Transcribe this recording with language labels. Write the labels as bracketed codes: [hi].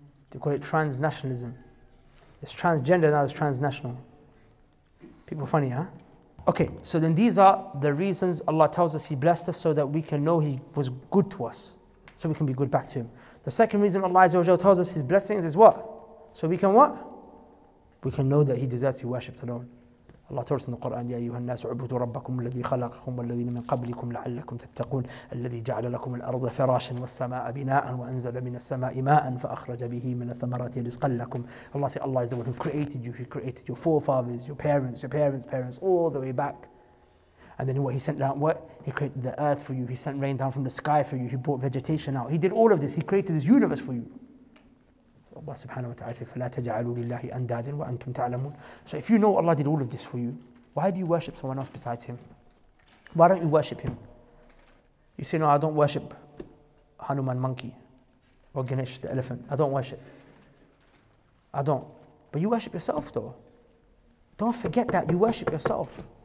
[en] They call it transnationalism. It's transgender, now it's transnational. People funny, huh? Okay, so then these are the reasons Allah tells us He blessed us so that we can know He was good to us. So we can be good back to Him. The second reason Allah Azza wa Jalla tells us His blessings is what? So we can what? We can know that He deserves to be worshipped alone. Allah tells us in the Quran, [ar] يَا أَيُّهَا النَّاسُ عُبُدُوا رَبَّكُمُ الَّذِي خَلَقَكُمْ وَالَّذِينَ مِنْ قَبْلِكُمْ لَعَلَّكُمْ تَتَّقُونَ الَّذِي جَعَلَ لَكُمُ الْأَرْضَ فِرَاشًا وَالسَّمَاءَ بِنَاءً وَأَنْزَلَ مِنَ السَّمَاءِ مَاءً فَأَخْرَجَ بِهِ مِنَ الثَّمَرَاتِ رِزْقًا لَكُمْ. [en] Allah says, Allah is the one who created you. He created your forefathers, your parents' parents, all the way back. And then what, He sent down what? He created the earth for you. He sent rain down from the sky for you. He brought vegetation out. He did all of this. He created this universe for you. Allah subhanahu wa ta'ala says, [ar] فَلَا تَجْعَلُوا لِلَّهِ أَنْدَادٍ وَأَنْتُمْ تَعْلَمُونَ. [en] So if you know Allah did all of this for you, why do you worship someone else besides Him? Why don't you worship Him? You say, no, I don't worship Hanuman monkey or Ganesh the elephant. I don't worship. I don't. But you worship yourself though. Don't forget that you worship yourself.